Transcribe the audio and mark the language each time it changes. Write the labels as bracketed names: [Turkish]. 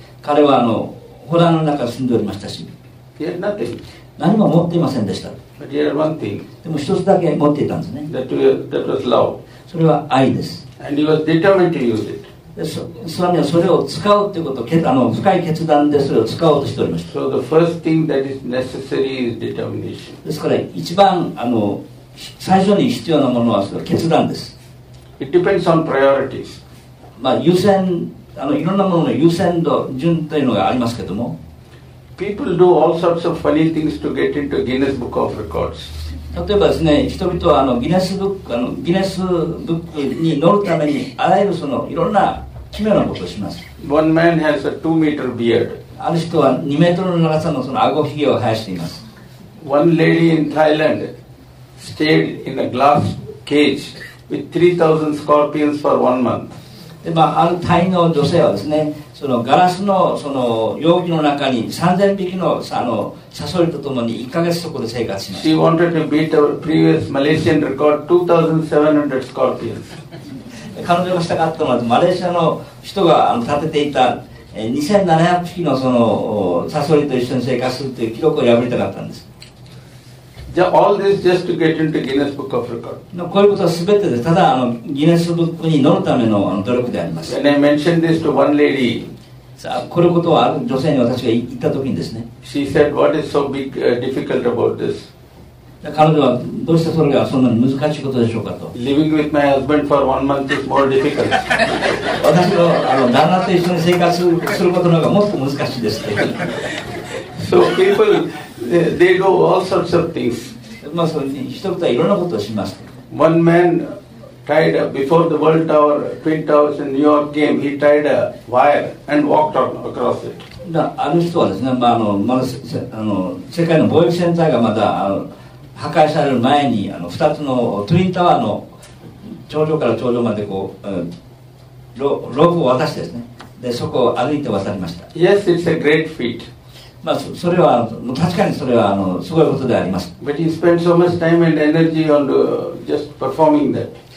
[Japanese] 彼はあの洞の中に住んでおりましたし、 [English] He had nothing。 [Japanese] 何も持っていませんでした。 [English] But he had one thing. [Japanese] でも一つだけ持っていたんですね。 [English] That was love. [Japanese] それは愛です。 [English] And he was determined to use it. [Japanese] で、スワミはそれを使うということを、あの深い決断でそれを使おうとしておりました。 [English] So the first thing that is necessary is determination. [Japanese] ですから一番あの最初に必要なものはそれ決断です。 [English] It depends on priorities. [Japanese] まあ優先、あのいろんなものの優先度順というのがありますけども。 [English] People do all sorts of funny things to get into Guinness Book of Records. [Japanese] 例えばですね、人々はあのギネスブック、あのギネスブックに載るためにあらゆるそのいろんな奇妙なことをします。 [English] One man has a 2-meter beard. [Japanese] ある人は2メートルの長さのその顎ひげを生やしています。 [English] One lady in Thailand stayed in a glass cage with 3,000 scorpions for 1 month. [Japanese] で、まあ、あるタイの女性はですね、そのガラス の, その容器の中に3000匹 の, あのサソリとともに1ヶ月そこで生活しました。 [English] She wanted to beat our previous Malaysian record 2700 scorpions. [Japanese] 彼女がしたかったのはマレーシアの人が立てていた2700匹 の, そのサソリと一緒に生活するという記録を破りたかったんです。 [English] All this just to get into Guinness Book of Records. [Japanese] こういうことは全てでただあのギネスブックに載るため の, あの努力であります。 [English] When I mentioned this to one lady, [Japanese] さあこのことはある女性に私が言ったときにですね、 [English] She said, what is so big, difficult about this? [Japanese] 彼女はどうしてそれがそんなに難しいことでしょうかと。 [English] Living with my husband for 1 month is more difficult. [Japanese] 私の、 あの旦那と一緒に生活することの方がもっと難しいですって。 [English] So people... They do all sorts of things. [Japanese] まあ、人々はいろんなことをします。 [English] One man tied up before the World Tower, Twin Towers in New York game, he tied a wire and walked on across it. [Japanese] ある人はですね、まああのまだあの世界の貿易センターがまだあの破壊される前に、あの2つのツインタワーの頂上から頂上までこう、ロープを渡してですね、でそこを歩いて渡りました。 [English] Yes, it's a great feat. [Japanese] まあ、それは確かにそれはあのすごいことであります。 [English] But he spent so much time and energy on just performing that.